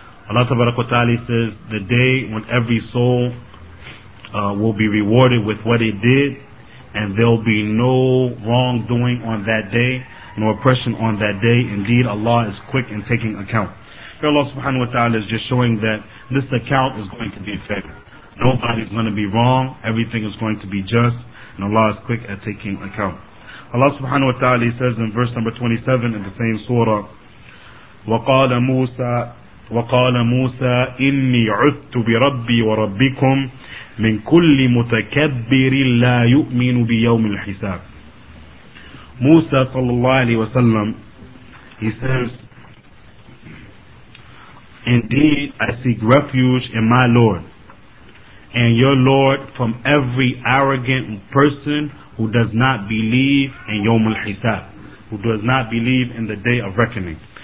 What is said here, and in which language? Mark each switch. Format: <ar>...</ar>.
<en>Allah tabarak wa ta'ala says, the day when every soul will be rewarded with what it did, and there will be no wrongdoing on that day, no oppression on that day. Indeed, Allah is quick in taking account. Here Allah subhanahu wa ta'ala is just showing that this account is going to be fair. Nobody is going to be wrong, everything is going to be just, and Allah is quick at taking account. Allah subhanahu wa ta'ala says in verse number 27 in the same surah,</en> <ar>وَقَالَ مُوسَى وقال موسى إني عذت بربي وربكم من كل متكبر لا يؤمن بيوم الحساب.</ar> <en>موسى</en> <ar>صلى الله عليه وسلم,</ar> <en>he says, indeed I seek refuge in my Lord and your Lord from every arrogant person who does not believe in</en> <ar>يوم الحساب,</ar> <en>who does not believe in the day of reckoning.</en>